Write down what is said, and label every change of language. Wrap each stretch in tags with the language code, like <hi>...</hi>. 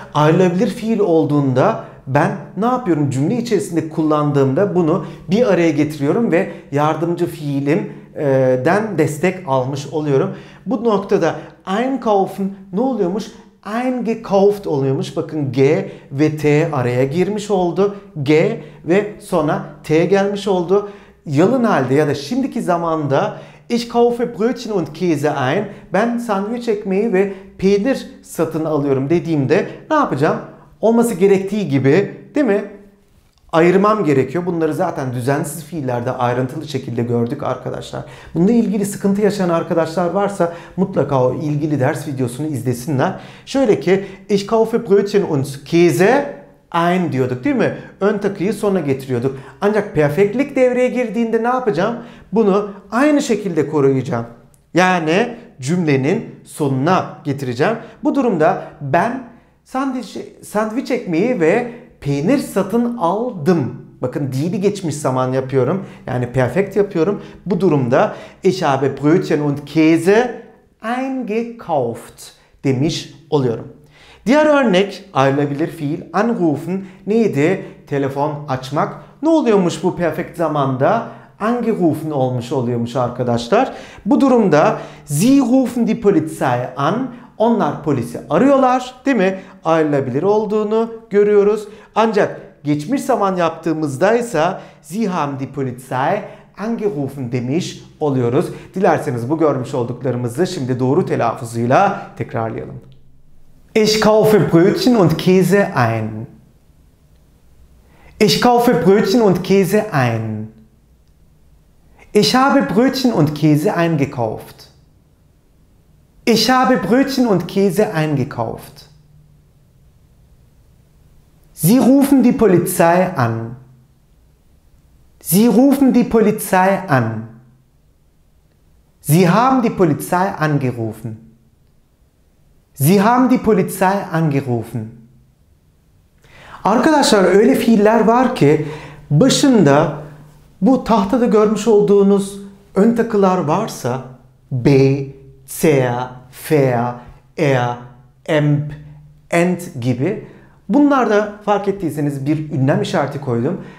<tr>Ayrılabilir fiil olduğunda ben ne yapıyorum? Cümle içerisinde kullandığımda bunu bir araya getiriyorum ve yardımcı fiilimden destek almış oluyorum. Bu noktada einkaufen ne oluyormuş? Eingekauft oluyormuş. Bakın G ve T araya girmiş oldu. G ve sonra T gelmiş oldu. Yalın halde ya da şimdiki zamanda</tr> <de>ich kaufe Brötchen und Käse ein.</de> <tr>Ben sandviç ekmeği ve peynir satın alıyorum dediğimde ne yapacağım? Olması gerektiği gibi değil mi? Ayırmam gerekiyor. Bunları zaten düzensiz fiillerde ayrıntılı şekilde gördük arkadaşlar. Bununla ilgili sıkıntı yaşayan arkadaşlar varsa mutlaka o ilgili ders videosunu izlesinler. Şöyle ki</tr> <de>ich kaufe Brötchen und Käse ein</de> <tr>diyorduk değil mi? Ön takıyı sona getiriyorduk. Ancak perfektlik devreye girdiğinde ne yapacağım? Bunu aynı şekilde koruyacağım. Yani cümlenin sonuna getireceğim. Bu durumda ben sandviç ekmeği ve peynir satın aldım. Bakın değil geçmiş zaman yapıyorum. Yani perfect yapıyorum. Bu durumda</tr> <de>ich habe Brötchen und Käse</de> <tr>eingekauft demiş oluyorum. Diğer örnek ayrılabilir fiil anrufen neydi? Telefon açmak. Ne oluyormuş bu perfect zamanda? Angerufen olmuş oluyormuş arkadaşlar. Bu durumda</tr> <de>sie rufen die Polizei an.</de> <tr>Onlar polisi arıyorlar, değil mi? Ayrılabilir olduğunu görüyoruz. Ancak geçmiş zaman yaptığımızda ise</tr> <de>sie haben die Polizei angerufen</de> <tr>demiş oluyoruz. Dilerseniz bu görmüş olduklarımızı şimdi doğru telaffuzuyla tekrarlayalım.</tr> <de>Ich kaufe Brötchen und Käse ein. Ich kaufe Brötchen und Käse ein. Ich habe Brötchen und Käse eingekauft. Ich habe Brötchen und Käse eingekauft. Sie rufen die Polizei an. Sie rufen die Polizei an. Sie haben die Polizei angerufen. Sie haben die Polizei angerufen.</de> <tr>Arkadaşlar öyle fiiller var ki başında bu tahtada görmüş olduğunuz ön takılar varsa B, C, F, E, Emp, Ent gibi bunlarda fark ettiyseniz bir ünlem işareti koydum.</tr>